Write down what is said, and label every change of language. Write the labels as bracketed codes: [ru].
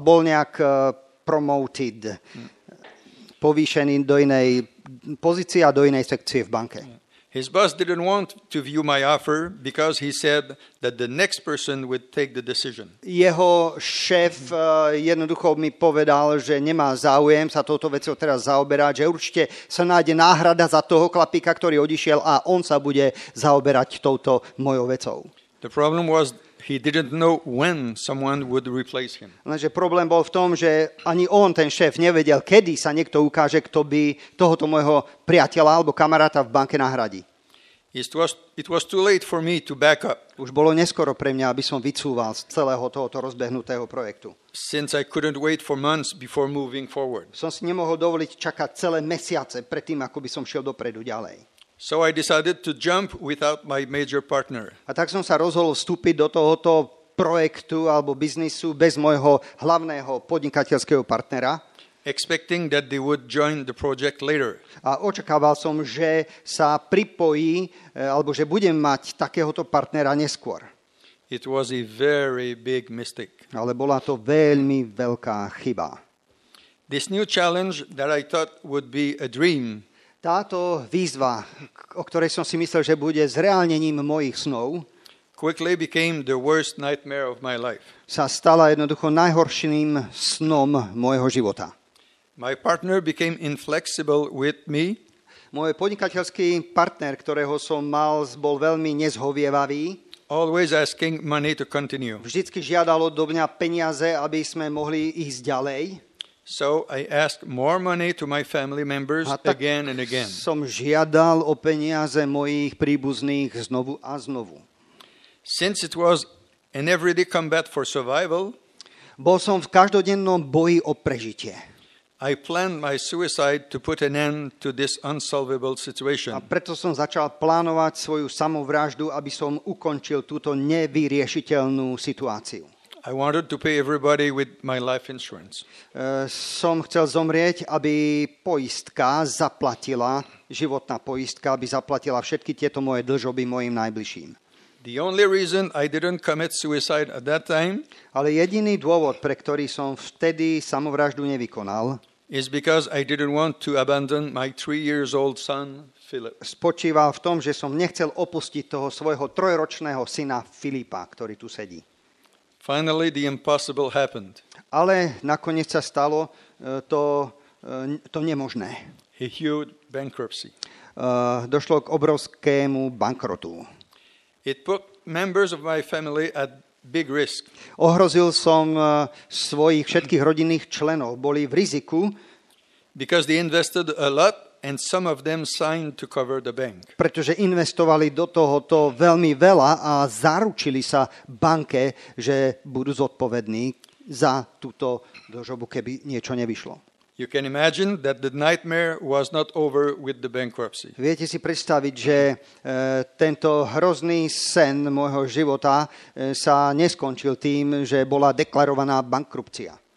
[sk] Bol nejak promoted, povýšený do inej pozície a do inej sekcie v banke. [en] His boss didn't want to view my offer because he said that the next person would take the decision. [sk] Jeho šéf jednoducho mi povedal, že nemá záujem sa touto vecou teraz zaoberať, že určite sa nájde náhrada za toho chlapíka, ktorý odišiel, a on sa bude zaoberať touto mojou vecou. [en] The problem was he didn't know when someone would replace him. [sk] Lenže problém bol v tom, že ani on, ten šéf, nevedel, kedy sa niekto ukáže, kto by tohoto môjho priateľa alebo kamaráta v banke nahradí. [en] It was too late for me to back up. [sk] Už bolo neskoro pre mňa, aby som vycúval z celého tohoto rozbehnutého projektu. [en] Since I couldn't wait for months before moving forward. [sk] Som si nemohol dovoliť čakať celé mesiace predtým, ako by som šiel dopredu ďalej. [en] So I decided to jump without my major partner. [sk] A tak som sa rozhodol vstúpiť do tohoto projektu alebo biznisu bez môjho hlavného podnikateľského partnera. [en] Expecting that they would join the project later. [sk] A očakával som, že sa pripojí alebo že budem mať takéhoto partnera neskôr. [en] It was a very big mistake. [sk] Ale bola to veľmi veľká chyba. [en] This new challenge that I thought would be a dream. [sk] Táto výzva, o ktorej som si myslel, že bude zreálnením mojich snov, [en] quickly became the worst nightmare of my life. [sk] Sa stala jednoducho najhorším snom mojho života. [en] My partner became inflexible with me. [sk] Môj podnikateľský partner, ktorého som mal, bol veľmi nezhovievavý. [en] Always asking money to continue. [sk] Vždycky žiadal odo mňa peniaze, aby sme mohli ísť ďalej. [en] So I asked more money to my family members again and again. [sk] Som žiadal o peniaze mojich príbuzných znovu a znovu. [en] Since it was an everyday combat for survival, [sk] bol som v každodennom boji o prežitie. [en] I planned my suicide to put an end to this unsolvable situation. [sk] A preto som začal plánovať svoju samovraždu, aby som ukončil túto nevyriešiteľnú situáciu. [en] I wanted to pay everybody with my life insurance. [sk] Som chcel zomrieť, aby poistka zaplatila, životná poistka, aby zaplatila všetky tieto moje dlžoby mojim najbližším. [en] The only reason I didn't commit suicide at that time, [sk] ale jediný dôvod, pre ktorý som vtedy samovraždu nevykonal, [en] is because I didn't want to abandon my 3-year-old son Philip. [sk] Spočíval v tom, že som nechcel opustiť toho svojho trojročného syna Filipa, ktorý tu sedí. [en] Finally the impossible happened. [sk] Ale nakoniec sa stalo to nemožné. [en] A huge bankruptcy. [sk] Došlo k obrovskému bankrotu. [en] It put members of my family at big risk. [sk] Ohrozil som svojich všetkých rodinných členov, boli v riziku. [en] Because they invested a lot and some of them signed to cover the bank. [sk] Pretože investovali do tohoto veľmi veľa a zaručili sa banke, že budú zodpovední za túto dlžobu, keby niečo nevyšlo. [en] You can imagine that the nightmare was not over with the bankruptcy. [sk] Viete si predstaviť, že tento hrozný sen môjho života sa neskončil tým, že bola deklarovaná bankrupcia.